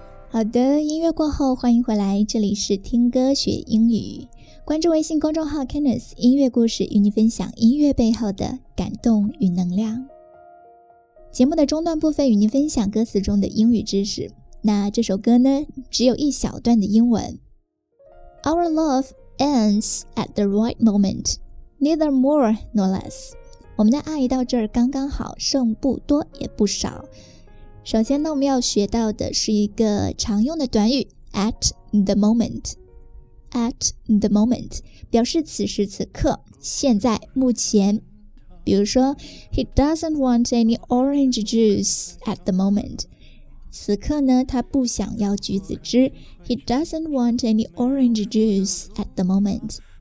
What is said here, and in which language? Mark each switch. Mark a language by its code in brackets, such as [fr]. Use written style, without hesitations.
[zh] 好的，音乐过后欢迎回来，这里是听歌学英语，关注微信公众号 Kenneth 音乐故事，与你分享音乐背后的感动与能量。节目的中段部分与您分享歌词中的英语知识。那这首歌呢，只有一小段的英文。 [en] Our love ends at the right moment, neither more nor less. [zh] 我们的爱到这儿刚刚好，剩不多也不少。首先呢，我们要学到的是一个常用的短语 [en] at the moment. At the moment [zh] 表示此时此刻，现在，目前。比如说 [en] He doesn't want any orange juice at the moment. [zh] 此刻呢，他不想要橘子汁。 [en] He doesn't want any orange juice at the moment.